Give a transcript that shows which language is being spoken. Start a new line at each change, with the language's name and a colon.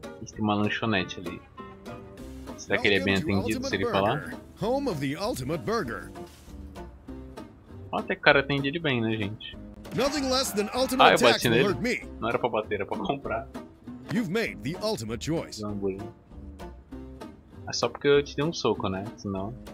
Portuguese: Tem uma lanchonete ali. Será que ele é bem atendido se ele falar?
English: Home of the ultimate burger.
Portuguese: Até que o cara atende ele bem, né, gente?
English: Nothing less than ultimate tax will hurt me.
Portuguese: Não era pra bater, era pra comprar.
English: You've made the ultimate choice.
Portuguese: É só porque eu te dei um soco, né? Senão.